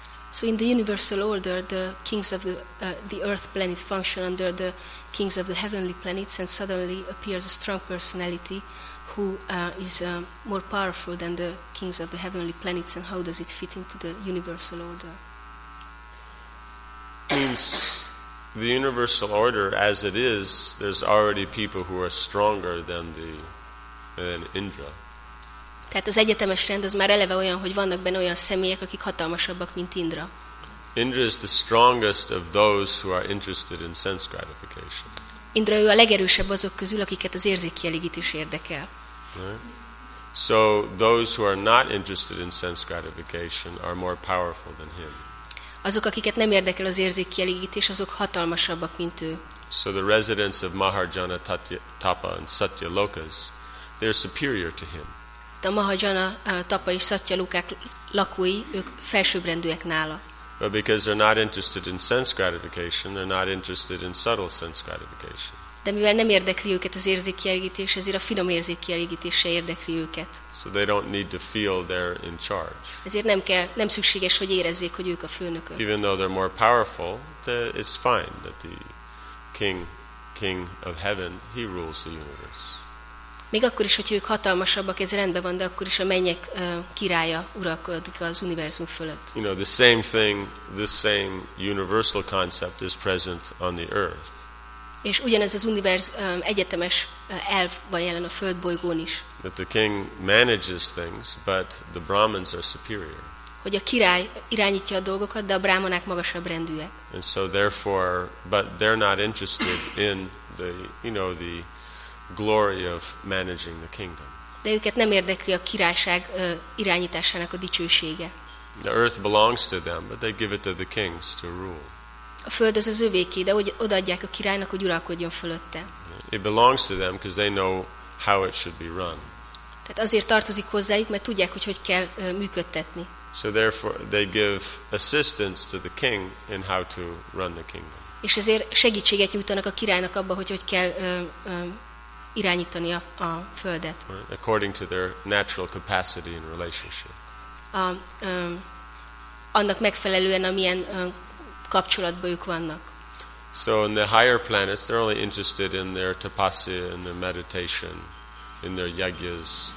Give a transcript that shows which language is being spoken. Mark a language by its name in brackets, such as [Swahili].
[English] So in the universal order, the kings of the earth planet function under the kings of the heavenly planets, and suddenly appears a strong personality who is more powerful than the kings of the heavenly planets. And how does it fit into the universal order? Means the universal order as it is, there's already people who are stronger than Indra. [Hungarian] Tehát az egyetemes rend az már eleve olyan, hogy vannak benne olyan személyek, akik hatalmasabbak, mint Indra. [English] Indra is the strongest of those who are interested in sense gratification. [Hungarian] Indra ő a legerősebb azok közül, akiket az érzékkielégítés érdekel. [English] So those who are not interested in sense gratification are more powerful than him. [Hungarian] Azok, akiket nem érdekel az érzékkielégítés, azok hatalmasabbak, mint ő. [English] So the residents of Maharjana Tapa and Satya Lokas, they're superior to him. [Hungarian] De a Mahajana Tapa és Satya Lokák lakói, ők felsőbbrendűek nála. [English] But because they're not interested in sense gratification, they're not interested in subtle sense gratification. [Hungarian] De mivel nem érdekli őket az érzékkielégítés, ezért a finom érzékkielégítés se érdekli őket. [English] So they don't need to feel they're in charge. [Hungarian] Ezért nem szükséges, hogy érezzék, hogy ők a főnökök. [English] Even though they're more powerful, it's fine that the king of heaven, he rules the universe. [Hungarian] Még akkor is, hogyha ők hatalmasabbak, ez rendben van, de akkor is a mennyek királya uralkodik az univerzum fölött. [English] You know, the same thing, the same universal concept is present on the earth. [Hungarian] És ugyanez az univerzum egyetemes elv van jelen a földbolygón is. [English] That the king manages things, but the brahmins are superior. [Hungarian] Hogy a király irányítja a dolgokat, de a brahmanák magasabb rendűek. [English] And so therefore, but they're not interested in the, you know, the glory of managing the kingdom. [Hungarian] De őket nem érdekli a királyság irányításának a dicsősége. [English] The earth belongs to them, but they give it to the kings to rule. [Hungarian] A föld az övéké, de odaadják a királynak, hogy uralkodjon fölötte. [English] It belongs to them because they know how it should be run. [Hungarian] Tehát azért tartozik hozzájuk, mert tudják, hogy kell működtetni. [English] So therefore they give assistance to the king in how to run the kingdom. [Hungarian] És ezért segítséget nyújtanak a királynak abban, hogy kell irányítani a földet. [English] According to their natural capacity and relationship. [Hungarian] annak megfelelően, amilyen kapcsolatban ők vannak. [English] So in the higher planets, they're only interested in their tapasya, in their meditation, in their yajnas.